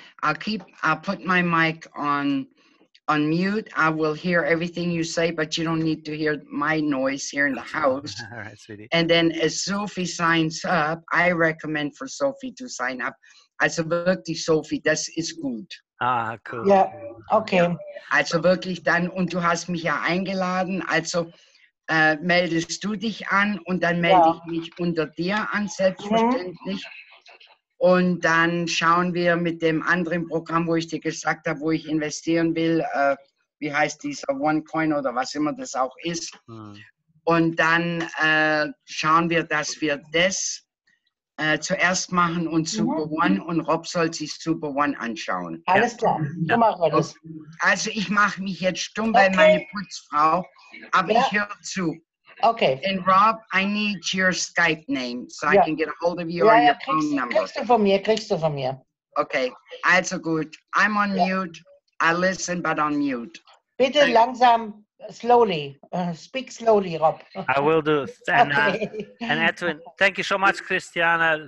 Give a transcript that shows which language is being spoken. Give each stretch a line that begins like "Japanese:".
English: I'll put my mic on mute. I will hear everything you say, but you don't need to hear my noise here in the house. All right, sweetie. And then as Sophie signs up, I recommend for Sophie to sign up.
German: As a wirklich, Sophie, das ist gut.
English: Ah, cool. Yeah, okay.
German: Also wirklich dann, und du hast mich ja eingeladen, also meldest du dich an und dann melde ich mich unter dir an, selbstverständlich. Mhm. Und dann schauen wir mit dem anderen Programm, wo ich dir gesagt habe, wo ich investieren will, wie heißt dieser OneCoin oder was immer das auch ist. Hm. Und dann schauen wir, dass wir das zuerst machen und Super One, und Rob soll sich Super One anschauen. Alles klar, du machst alles. Also ich mache mich jetzt stumm bei meiner Putzfrau, aber ich höre zu.
English: Okay. And Rob, I need your Skype name so I can get a hold of you or your phone number.
German: Kriegst du von mir.
English: Okay.
German: Also gut.
English: I'm on mute. I listen, but on mute.
German: Bitte langsam,
English: slowly. Speak slowly, Rob. I will do. And, okay. And Edwin, thank you so much, Christiana.